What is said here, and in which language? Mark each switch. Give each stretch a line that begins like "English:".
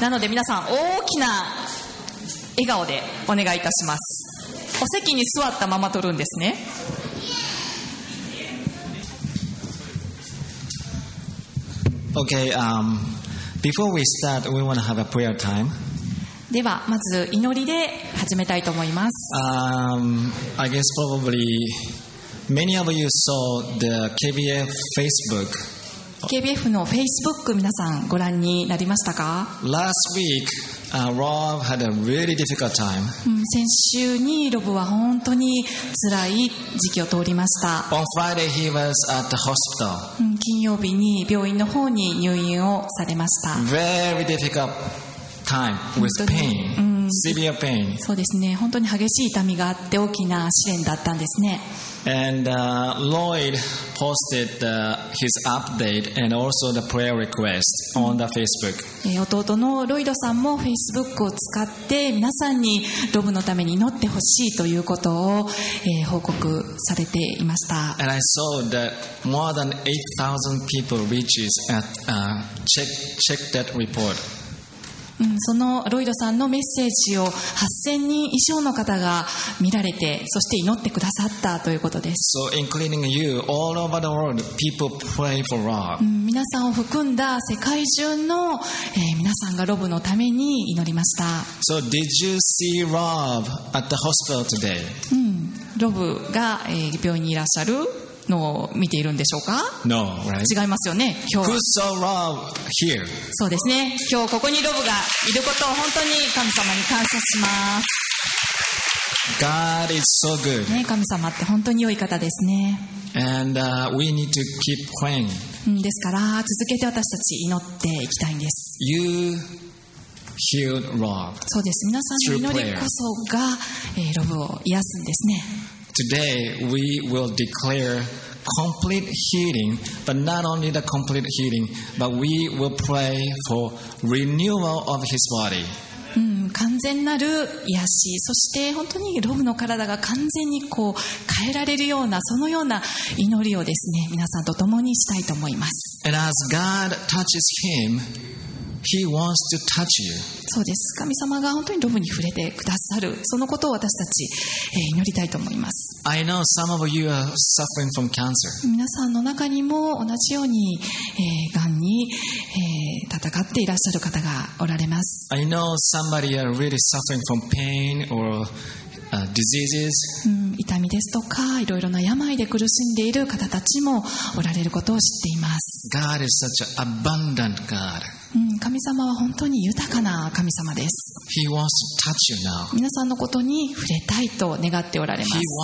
Japanese: なので皆さん大きな笑顔でお願いいたします。お席に座ったまま撮るんですね。
English: Okay, before we start, we want to have a prayer time.
Japanese: ではまず祈りで始めたいと思います。
English: I guess probably many of you saw the KBF Facebook.
Japanese: KBF の Facebook 皆さんご覧になりましたか？
English: Last week. Rob had a really difficult time.
Japanese: 先週にロブは本当に辛い時期を通りました。
English: On Friday he was at the hospital.
Japanese: 金曜日に病院の方に入院をされました。
English: Very difficult time with pain, severe pain.
Japanese: そうですね、本当に激しい痛みがあって大きな試練だったんですね。
English: And Lloyd posted his update and also the prayer request on the Facebook.
Japanese: 弟のロイドさんも Facebook を使って皆さんにロブのために祈ってほしいということを報告されていました。
English: And I saw that more than 8,000 people reaches at check that report.
Japanese: そのロイドさんのメッセージを8000人以上の方が見られて、そして祈ってくださったということです。
English: So including you, all over the world, people pray for Rob.
Japanese: 皆さんを含んだ世界中の、皆さんがロブのために祈りました。
English: So did you see Rob at the hospital today?
Japanese: ロブが、病院にいらっしゃるのを見ているんでしょうか？
English: No, right?
Japanese: 違いますよね。今日。
English: Who saw Rob here?
Japanese: そうですね。今日ここにロブがいることを本当に神様に感謝します。
English: God is so good.
Japanese: ね、神様って本当に良い方ですね。
English: And, we need to keep praying.
Japanese: ですから続けて私たち祈っていきたいんです。
English: You healed Rob.
Japanese: そうです。皆さんの祈りこそが、ロブを癒すんですね。
English: Today we will declare complete healing, but not only the complete healing, but we will pray for renewal of his body.
Japanese: 完全なる癒し、そして本当にロブの体が完全にこう変えられるようなそのような祈りをですね、皆さんと共にしたいと思います。
English: And as God touches him, he wants to touch you.
Japanese: そうです。神様が本当にロブに触れてくださる、そのことを私たち、祈りたいと思います。
English: I know some of you are suffering from cancer.
Japanese: 皆さんの中にも同じように、がんに、戦っていらっしゃる方がおられます。
English: I know somebody are really suffering from pain or diseases.
Japanese: 痛みですとか、いろいろな病で苦しんでいる方たちもおられることを知っています。
English: God is such an abundant God.
Japanese: 神様は本当に豊かな神様です。
English: He wants to touch you now.
Japanese: 皆さんのことに触れたいと願っておられます。